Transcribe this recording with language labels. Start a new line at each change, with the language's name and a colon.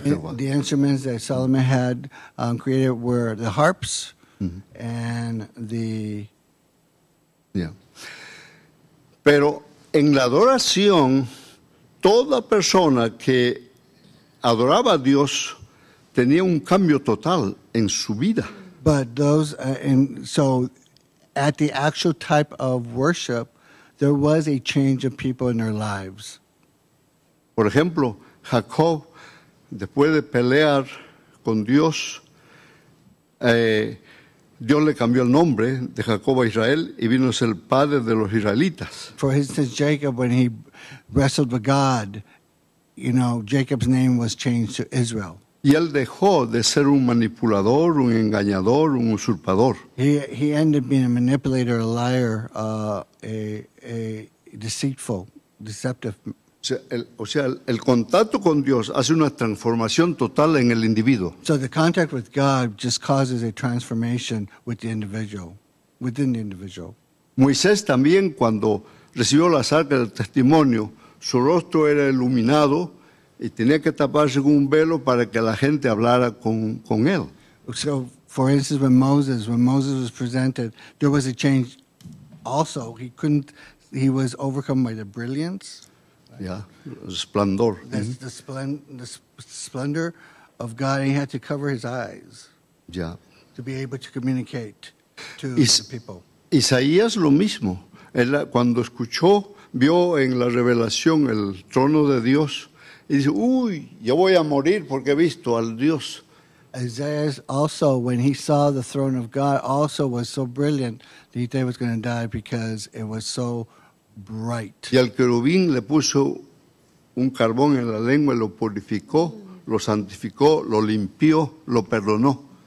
English: Jehová. The instruments that Solomon had created were the harps and the. Yeah.
Spanish: Pero en la adoración, toda persona que adoraba a Dios tenía un cambio total en su vida.
English: But those, and so at the actual type of worship, there was a change of people in their lives.
Spanish: Por ejemplo, Jacob, después de pelear con Dios, Dios le cambió el nombre de Jacob a Israel y vino a ser el padre de los israelitas.
English: For instance, Jacob, when he wrestled with God, you know, Jacob's name was changed to Israel.
Spanish: Y él dejó de ser un manipulador, un engañador, un usurpador.
English: He ended being a manipulator, a liar, a deceitful, deceptive.
Spanish: O sea, el contacto con Dios hace una transformación total en el individuo.
English: So the contact with God just causes a transformation with the individual, within the individual.
Spanish: Moisés también, cuando recibió la zarca del testimonio, su rostro era iluminado y tenía que taparse con un velo para que la gente hablara con él.
English: So, for instance, when Moses was presented, there was a change also. He was overcome by the brilliance. Yeah, splendor. The splendor of God, and he had to cover his eyes. Yeah. To be able to communicate to the people.
Spanish: Isaías lo mismo. Él, cuando escuchó, vio en la revelación el trono de Dios, y dice, uy, yo voy a morir porque he visto al Dios.
English: Isaías also, when he saw the throne of God, also was so brilliant that he thought he was going to die because it was so bright.
Spanish: Y al querubín le puso un carbón en la lengua y lo purificó, lo santificó, lo limpió, lo perdonó.